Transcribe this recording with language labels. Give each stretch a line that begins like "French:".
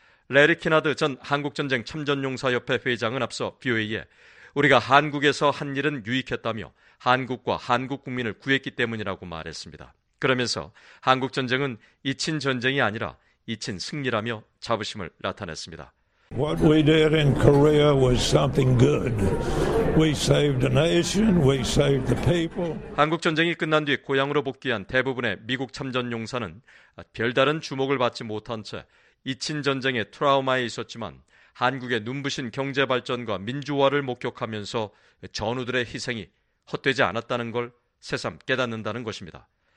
Korean: 레리 키나드 전 한국전쟁 참전용사협회 회장은 앞서 BOA에 우리가 한국에서 한 일은 유익했다며 한국과 한국 국민을 구했기 때문이라고 말했습니다. 그러면서 한국전쟁은 잊힌 전쟁이 아니라 잊힌 승리라며 자부심을 나타냈습니다.
English: What we did in Korea was something good. We saved a nation, we saved the people.
Korean: 한국 전쟁이 끝난 뒤 고향으로 복귀한 대부분의 미국 참전 용사는 별다른 주목을 받지 못한 채 잊힌 전쟁의 트라우마에 있었지만 한국의 눈부신 경제 발전과 민주화를 목격하면서 전우들의 희생이 헛되지 않았다는 걸 새삼 깨닫는다는 것입니다.